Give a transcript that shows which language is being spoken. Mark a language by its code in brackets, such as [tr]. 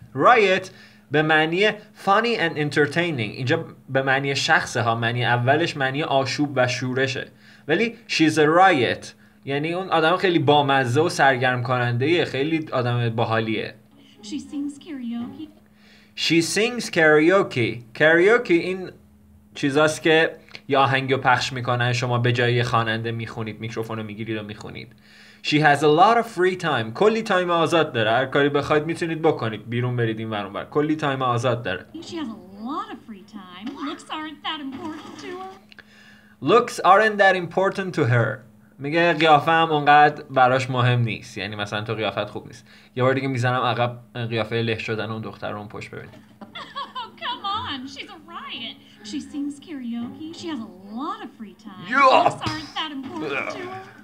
[en] Riot [fa] به معنی [en] funny and entertaining. [fa] اینجا به معنی شخصه ها. معنی اولش معنی آشوب و شورشه. [en] ولی she's a riot. [fa] یعنی اون آدم خیلی بامزه و سرگرم کننده یه. خیلی آدم باحالیه. [en] She sings karaoke. She sings karaoke. [fa] Karaoke این چیزاست که یا آهنگو پخش میکنن، شما به جای خواننده میخونید، میکروفونو میگیرید و میخونید. [en] She has a lot of free time. [fa] کلی تایم آزاد داره، هر کاری بخواید میتونید بکنید، بیرون برید این ور اون ور، کلی تایم آزاد داره. [en] She has a lot of free time. Looks aren't that important to her. Looks aren't that important to her. [fa] میگه قیافه هم اونقدر براش مهم نیست، یعنی مثلا تو قیافت خوب نیست. یه بار دیگه میزنم عقب قیافه له شدن اون دختر رو اون پشت ببینید. [en] Oh, come on. She's a riot. She sings karaoke. She has a lot of free time. Yeah. Aren't that important to her?